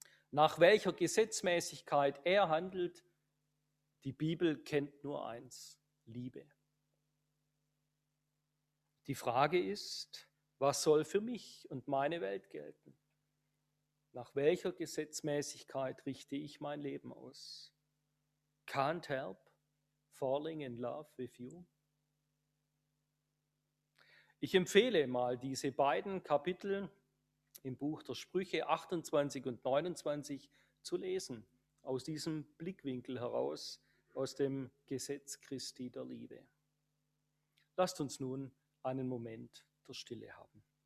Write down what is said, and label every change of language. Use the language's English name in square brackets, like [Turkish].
[German] Nach welcher Gesetzmäßigkeit er handelt, die Bibel kennt nur eins: Liebe. Die Frage ist, was soll für mich und meine Welt gelten? Nach welcher Gesetzmäßigkeit richte ich mein Leben aus? [English] Can't help falling in love with you. [German] Ich empfehle mal diese beiden Kapitel im Buch der Sprüche 28 und 29 zu lesen, aus diesem Blickwinkel heraus, aus dem Gesetz Christi der Liebe. Lasst uns nun einen Moment der Stille haben.